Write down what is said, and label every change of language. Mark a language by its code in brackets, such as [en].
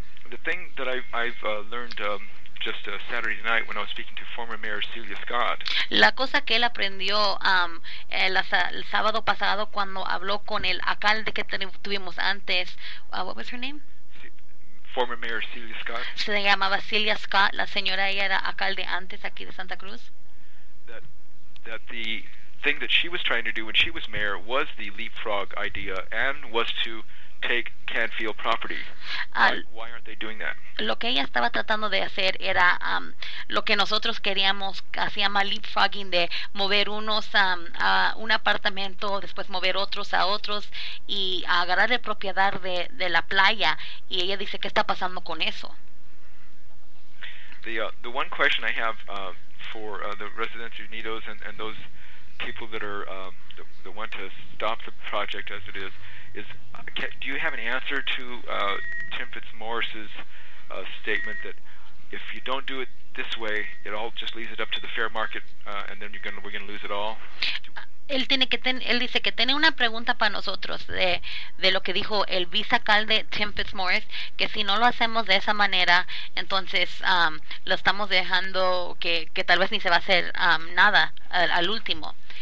[en] The thing that I've learned just Saturday night when I was speaking to former Mayor Celia Scott. [es] La cosa que él aprendió el sábado pasado cuando habló con el alcalde que tuvimos antes. [en] What was her name? Former Mayor Celia Scott. [es] Se llamaba Celia Scott. La señora ella era alcalde antes aquí de Santa Cruz. [en] That the thing that she was trying to do when she was mayor was the leapfrog idea and was to take Canfield property. Why aren't they doing that? [es] Lo que ella estaba tratando de hacer era lo que nosotros queríamos, hacía más leapfrogging de mover unos a un apartamento, después mover otros a otros y agarrar la propiedad de la playa. Y ella dice, ¿qué está pasando con eso? [en] The one question I have for the residents of Unidos and those people that are that want to stop the project as it is. Do you have an answer to Tim Fitzmaurice's statement that if you don't do it this way, it all just leaves it up to the fair market, and then we're gonna lose it all? [es] Él dice que tiene una pregunta para nosotros de lo que dijo el vicealcalde Tim Fitzmaurice, que si no lo hacemos de esa manera, entonces lo estamos dejando que tal vez ni se va a hacer nada al último.